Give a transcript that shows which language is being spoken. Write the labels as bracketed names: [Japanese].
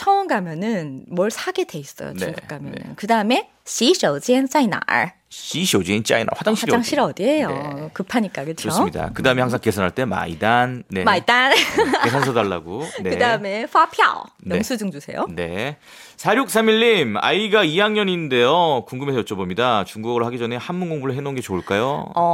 [Korean] 처음 가면은 뭘 사게 돼 있어요. 네. 중국 가면은. 네. 그 다음에 [Chinese] 洗手间在哪儿? 洗手间在哪?화장실 [Korean] 화장실 어디예요? 네. 급하니까 그렇죠. 좋습니다. 그 다음에 항상 계산할 때 마이단. 네. 마이단. 계산서 달라고. 네. 그 다음에 화표. 네. 영수증 주세요. 네. 4631님, 아이가 2학년인데요. 궁금해서 여쭤봅니다. 중국어를 하기 전에 한문 공부를 해놓은 게 좋을까요?